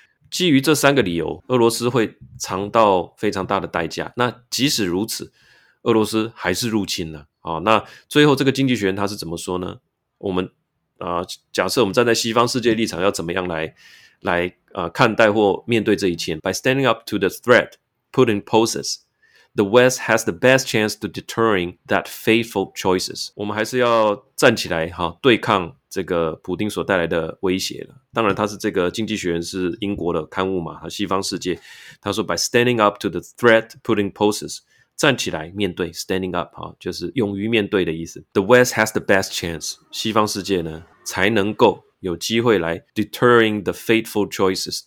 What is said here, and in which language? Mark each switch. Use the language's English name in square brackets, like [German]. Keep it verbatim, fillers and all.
[Chinese] 基于这三个理由，俄罗斯会尝到非常大的代价。那即使如此，俄罗斯还是入侵了、啊、那最后这个经济学人他是怎么说呢？我们、呃、假设我们站在西方世界立场要怎么样来来、呃、看待或面对这一切。 [English] By standing up to the threat Putin poses, the West has the best chance to deterring that fateful choices。 [Chinese] 我们还是要站起来、啊、对抗这个普丁所带来的威胁了。当然他是这个经济学人是英国的刊物嘛，西方世界他说 [English] By standing up to the threat Putin poses， [Chinese] 站起来面对 [English] standing up、 [Chinese] 啊、就是勇于面对的意思。 [English] The West has the best chance， [Chinese] 西方世界呢才能够有机会来 [English] deterring the fateful choices。